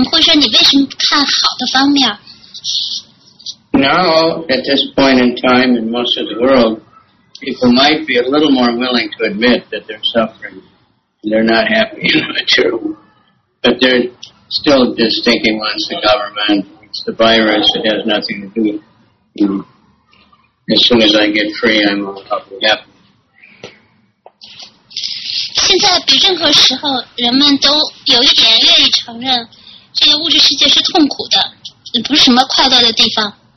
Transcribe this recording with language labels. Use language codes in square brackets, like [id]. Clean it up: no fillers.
[zh] 物质生活呢，是令人非常的这个悲伤和就是失望沮丧的。但是人们会说，哎，你为什么这么高兴呢？我们会说，你为什么看好的方面？ [en] Now, at this point in time, in most of the world, people might be a little more willing to admit that they're suffering, they're not happy in the material world. But they're still just thinking, well, it's the government, it's the virus, it has nothing to do with it. You know, as soon as I get free, I'm all happy. [zh] 现在比任何时候，人们都有一点愿意承认，这个物质世界是痛苦的，也不是什么快乐的地方。